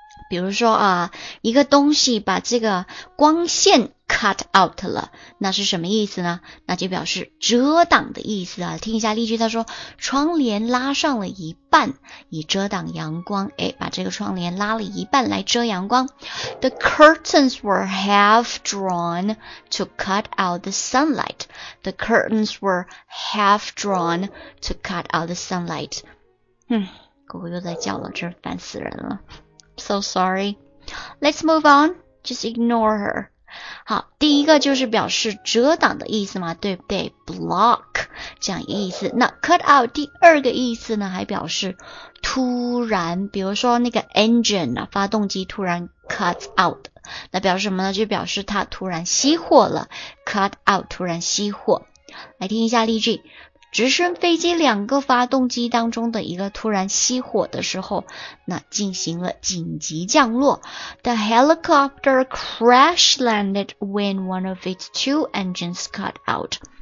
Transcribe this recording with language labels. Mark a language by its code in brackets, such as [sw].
[zh] 比如说啊，一个东西把这个光线cut out 了，那是什么意思呢？那就表示遮挡的意思啊。听一下例句，他说窗帘拉上了一半以遮挡阳光，把这个窗帘拉了一半来遮阳光。 [en] The curtains were half drawn to cut out the sunlight. The curtains were half drawn to cut out the sunlight. [zh] 狗狗又在叫了，真烦死人了。 [en] So sorry. Let's move on. Just ignore her. [zh] 好，第一个就是表示遮挡的意思嘛，对不对？ block 这样意思。那 cut out 第二个意思呢，还表示突然，比如说那个 engine 啊，发动机突然 cut out， 那表示什么呢？就表示它突然熄火了， cut out 突然熄火。来听一下例句，直升飞机两个发动机当中的一个突然熄火的时候，那进行了紧急降落。 [en] The helicopter crash landed when one of its two engines cut out.